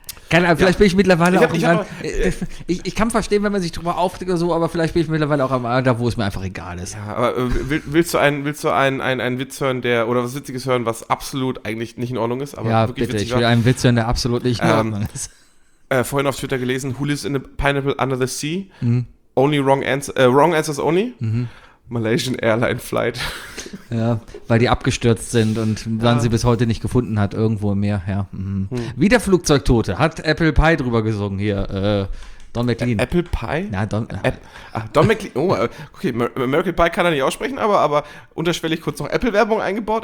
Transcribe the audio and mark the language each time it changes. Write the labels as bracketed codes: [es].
[de] Keine Ahnung, vielleicht bin ich mittlerweile ich kann verstehen, wenn man sich drüber aufregt oder so, aber vielleicht bin ich mittlerweile auch am Alter, wo es mir einfach egal ist. Ja, aber willst du einen Witz hören, der, oder was Witziges hören, was absolut eigentlich nicht in Ordnung ist, aber ja, wirklich bitte, witzig. Ich will einen Witz hören, der absolut nicht in Ordnung ist. Vorhin auf Twitter gelesen, [en] who lives in a pineapple under the sea? [de] Mhm. [en] Only wrong answers only? Mhm. Malaysian Airline Flight. [de] Ja, weil die abgestürzt sind und dann sie bis heute nicht gefunden hat, irgendwo im Meer. Ja. Mhm. Wie der Flugzeugtote. Hat Apple Pie drüber gesungen hier. Don McLean. Apple Pie? Na, Don McLean. Oh, okay. American Pie kann er nicht aussprechen, aber unterschwellig kurz noch Apple-Werbung eingebaut.